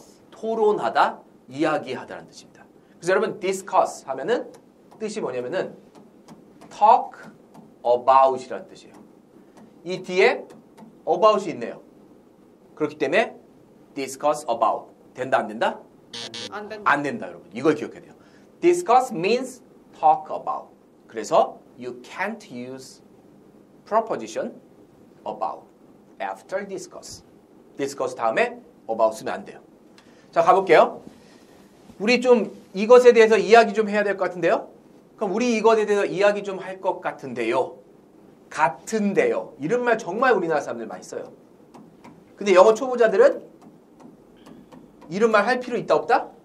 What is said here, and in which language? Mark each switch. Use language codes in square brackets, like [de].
[ko] 토론하다, 이야기하다라는 뜻입니다. 그래서 여러분 discuss 하면은 뜻이 뭐냐면은 talk about이라는 뜻이에요. 이 뒤에 about이 있네요. 그렇기 때문에 discuss about 된다 안 된다? 안 된다. 안 된다 여러분. 이걸 기억해야 돼요. [en] Discuss means talk about. 그래서 you can't use preposition about after discuss. [ko] Discuss 다음에 about 쓰면 안 돼요. 자 가볼게요. 우리 좀 이것에 대해서 이야기 좀 해야 될 것 같은데요. 그럼 우리 이것에 대해서 이야기 좀 할 것 같은데요. 같은데요. 이런 말 정말 우리나라 사람들 많이 써요. 근데 영어 초보자들은 이런 말 할 필요 있다 없다?